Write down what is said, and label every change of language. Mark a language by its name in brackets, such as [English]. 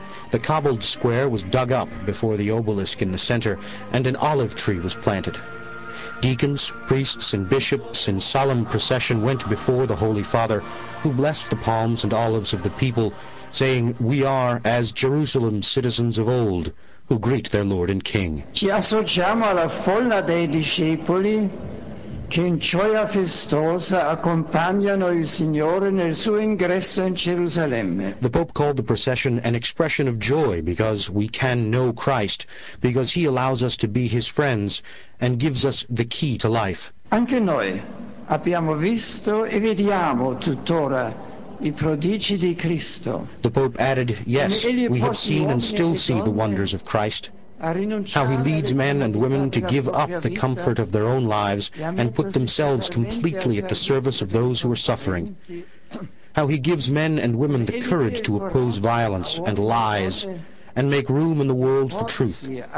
[English] The cobbled square was dug up before the obelisk in the center, and an olive tree was planted. Deacons, priests, and bishops in solemn procession went before the Holy Father, who blessed the palms and olives of the people, saying, "We are as Jerusalem's citizens of old, who greet their Lord and King." [Italian] Ci associamo alla folla dei discepoli che in gioia festosa accompagnano il Signore nel suo ingresso in Gerusalemme. [English] The Pope called the procession an expression of joy because we can know Christ, because he allows us to be his friends and gives us the key to life. [Italian] Anche noi abbiamo visto e vediamo tuttora I prodigi di Cristo. [English] The Pope added, "Yes, we have seen and still see the wonders of Christ, how he leads men and women to give up the comfort of their own lives and put themselves completely at the service of those who are suffering, how he gives men and women the courage to oppose violence and lies and make room in the world for truth,